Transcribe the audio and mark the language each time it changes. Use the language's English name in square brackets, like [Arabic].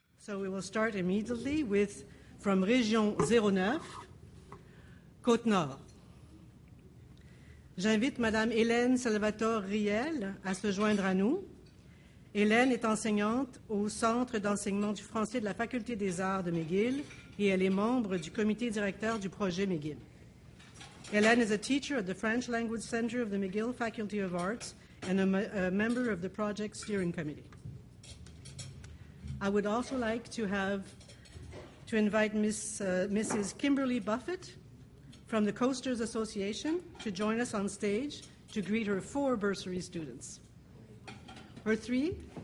[English] So we will start immediately with from Région 09, Côte-Nord. [French] J'invite Madame Hélène Salvatore Riel à se joindre à nous. Hélène est enseignante au Centre d'enseignement du français de la Faculté des arts de McGill et elle est membre du comité directeur du projet McGill. [English] Hélène is a teacher at the French Language Center of the McGill Faculty of Arts and a member of the project steering committee. I would also like to have to invite Mrs. Kimberly Buffett from the Coasters Association to join us on stage to greet her four bursary students. Her three?